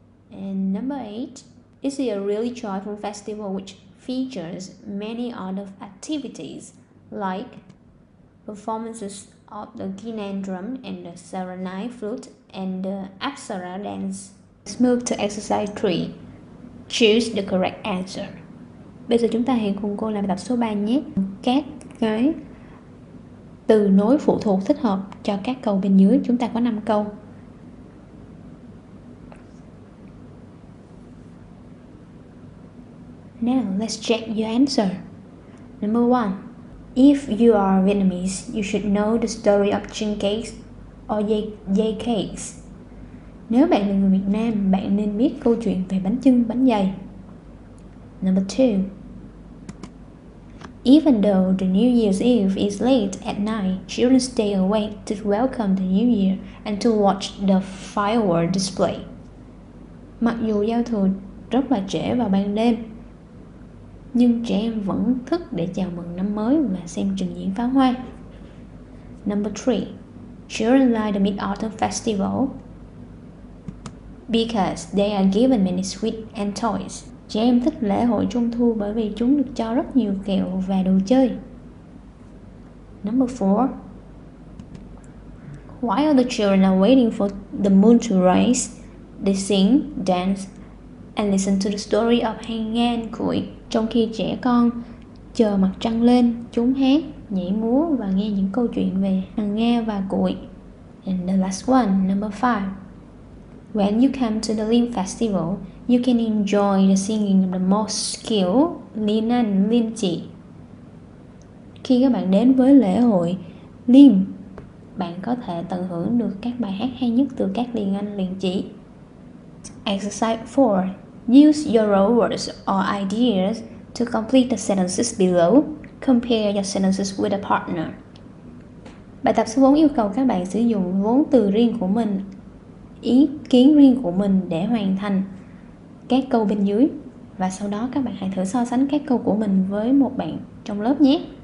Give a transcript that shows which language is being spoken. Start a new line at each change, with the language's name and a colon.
English: And number 8. This is a really joyful festival which features many other activities like performances of the Ginan drum and the Saranai flute and the Apsara dance. Let's move to exercise 3. Choose the correct answer.
Vietnamese: Bây giờ chúng ta hãy cùng cô làm tập số 3 nhé. Các cái từ nối phụ thuộc thích hợp cho các câu bên dưới. Chúng ta có 5 câu.
English: Now, let's check your answer. Number 1. If you are Vietnamese, you should know the story of chin cakes or dây cakes.
Vietnamese: Nếu bạn là người Việt Nam, bạn nên biết câu chuyện về bánh chưng, bánh dày.
English: Number 2. Even though the New Year's Eve is late at night, children stay awake to welcome the New Year and to watch the firework display.
Vietnamese: Mặc dù giao thừa rất là trễ vào ban đêm, nhưng trẻ em vẫn thức để chào mừng năm mới và xem trình diễn pháo hoa.
English: Number 3. Children like the Mid-Autumn Festival because they are given many sweets and toys.
Vietnamese: Trẻ em thích lễ hội trung thu bởi vì chúng được cho rất nhiều kẹo và đồ chơi.
English: Number 4. While the children are waiting for the moon to rise, they sing, dance, and listen to the story of Hang Ngan Kui.
Vietnamese: Trong khi trẻ con chờ mặt trăng lên, chúng hát, nhảy múa và nghe những câu chuyện về Hằng Nga và Cụi.
English: And the last one, number 5. When you come to the Lim Festival, you can enjoy the singing of the most skilled Lin An Lin Chi.
Vietnamese: Khi các bạn đến với lễ hội Lim, bạn có thể tận hưởng được các bài hát hay nhất từ các Lin An Lin Chi.
English: Exercise 4. Use your own words or ideas to complete the sentences below. Compare your sentences with a partner.
Vietnamese: Bài tập số 4 yêu cầu các bạn sử dụng vốn từ riêng của mình, ý kiến riêng của mình để hoàn thành các câu bên dưới. Và sau đó các bạn hãy thử so sánh các câu của mình với một bạn trong lớp nhé.